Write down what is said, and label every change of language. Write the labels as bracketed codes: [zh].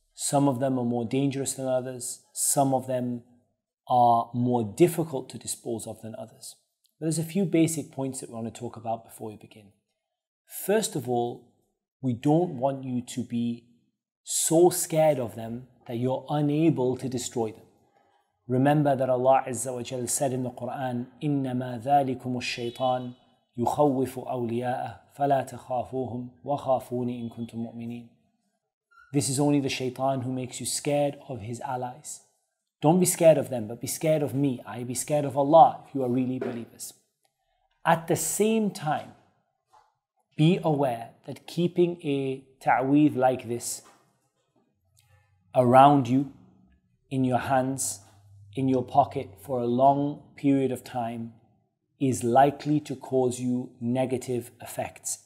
[en] Some of them are more dangerous than others. Some of them are more difficult to dispose of than others. But there's a few basic points that we want to talk about before we begin. First of all, we don't want you to be so scared of them that you're unable to destroy them. Remember that Allah Azza wa Jalla said in the Quran, [ar] إِنَّمَا ذَلِكُمُ الشَّيْطَانُ يُخَوِّفُ أَوْلِيَاءَهُ فَلَا تَخَافُوهُمْ وَخَافُونِ إِن كُنْتُمْ مُؤْمِنِينَ. [en] This is only the shaitan who makes you scared of his allies. Don't be scared of them, but be scared of me. I be scared of Allah if you are really believers. At the same time, be aware that keeping a ta'weez like this around you, in your hands, in your pocket for a long period of time is likely to cause you negative effects.